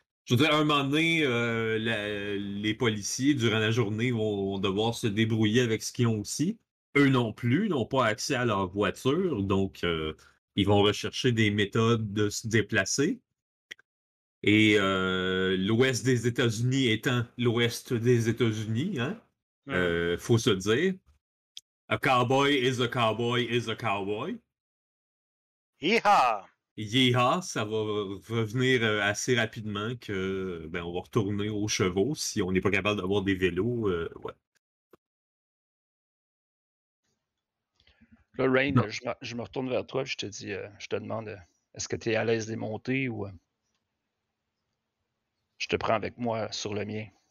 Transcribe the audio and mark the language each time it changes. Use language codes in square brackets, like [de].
[fr] Je veux dire, à un moment donné, les policiers, durant la journée, vont devoir se débrouiller avec ce qu'ils ont aussi. Eux non plus n'ont pas accès à leur voiture, donc ils vont rechercher des méthodes de se déplacer. Et l'Ouest des États-Unis étant l'Ouest des États-Unis, hein, faut se dire. [en] A cowboy is a cowboy is a cowboy. Yeehaw! [fr] Yeehaw, ça va revenir assez rapidement que ben on va retourner aux chevaux si on n'est pas capable d'avoir des vélos. Ouais. Là, Rain, je me retourne vers toi et je te demande est-ce que tu es à l'aise des montées ou je te prends avec moi sur le mien.